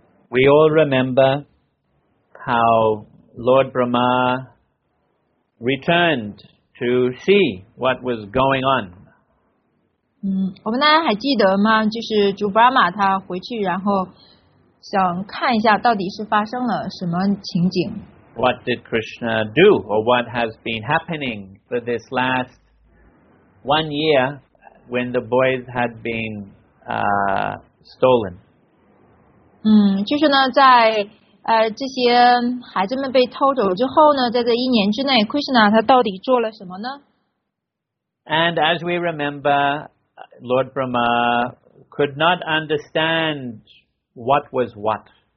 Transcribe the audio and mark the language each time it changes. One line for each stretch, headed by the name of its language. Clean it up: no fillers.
English: We all remember how Lord Brahma returned to see what was going on.
Chinese: 我们大家还记得吗？就是主巴玛他回去，然后想看一下到底是发生了什么情景。
English: What did Krishna do, or what has been happening for this last 1 year when the boys had been stolen?
Chinese: 就是呢，在这些孩子们被偷走之后呢，在这一年之内， Krishna 他到底做了什么呢？
English: And as we remember, Lord Brahma could not understand what was what.